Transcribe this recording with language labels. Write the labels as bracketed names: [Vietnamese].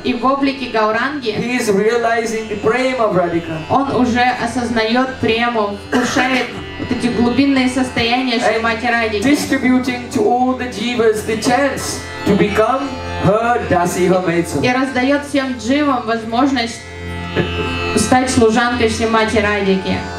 [Russian] И в облике Гауранги. [English] He is realizing the prema of Radhika. [Russian] Он уже осознает прему, вкушает вот эти глубинные состояния Шримати Радики. [English] And distributing to all the jivas the chance to become her dasi, her maid. [Russian] И раздает всем дживам возможность стать служанкой Шримати Радики.